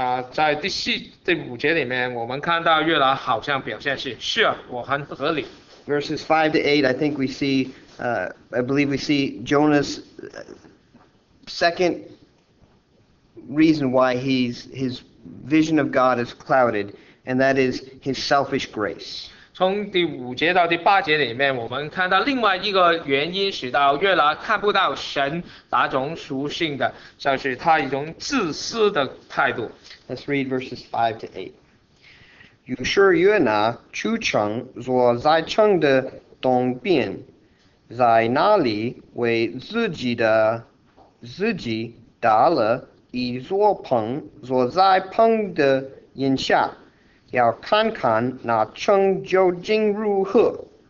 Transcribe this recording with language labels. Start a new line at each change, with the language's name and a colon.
Chinese: 在第五节里面，我们看到约拿好像表现是啊，我很合理。
English: Verses 5 to 8, I think we see, I believe we see Jonah's second reason why his vision of God is clouded, and that is his selfish grace.
Chinese: 从第五节到第八节里面，我们看到另外一个原因，使到约拿看不到神那种属性的，就是他一种自私的态度。
English: Let's read verses 5 to 8.
Chinese: 于是约拿出城，坐在城的东边，在那里为自己搭了一座棚，坐在棚的檐下，要看看那城究竟如何。